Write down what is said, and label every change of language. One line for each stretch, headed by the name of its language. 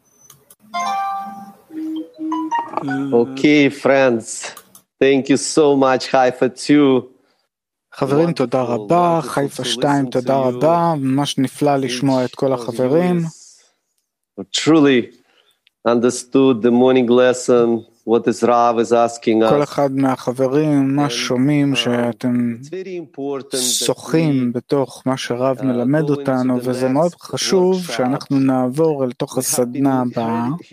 English: Rafa. Okay, friends. Thank you so much, Haifa 2.
Hebrew: חברים, תודה רבה. Haifa 2, תודה רבה. ממש נפלא לשמוע את כל החברים.
English: Truly understood the morning lesson, what is Rav is asking us.
Hebrew: כל אחד מהחברים ממש שומעים שאתם שוחים בתוך מה שרב מלמד אותנו, וזה מאוד חשוב שאנחנו נעבור אל תוך הסדנה הבאה.